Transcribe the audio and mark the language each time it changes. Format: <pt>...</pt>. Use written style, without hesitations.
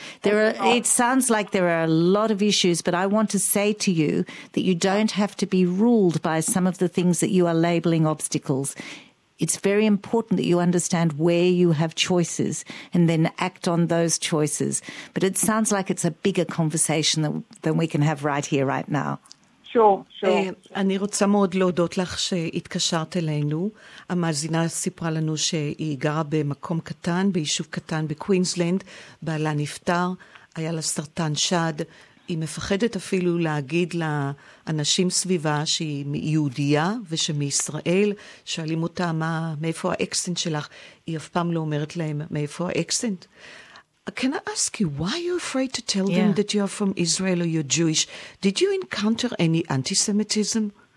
<en>It sounds like there are a lot of issues, but I want to say to you that you don't have to be ruled by some of the things that you are labeling obstacles. It's very important that you understand where you have choices and then act on those choices. But it sounds like it's a bigger conversation than we can have right here, right now. Sure, sure.</en> <he>אני רוצה מאוד להודות לך שהתקשרת אלינו. המאזינה סיפרה לנו שהיא גרה במקום קטן, ביישוב קטן בקווינסלנד. בעלה נפטר, היה לה סרטן שד. היא מפחדת אפילו להגיד לאנשים סביבה שהיא יהודיה ושמישראל. שואלים אותה, מאיפה האקסנט שלך? היא אף פעם לא אומרת להם, מאיפה האקסנט?</he> <en>Can I ask you, why are you afraid to tell them that you're from Israel or you're Jewish? Did you encounter any anti-Semitism?</en>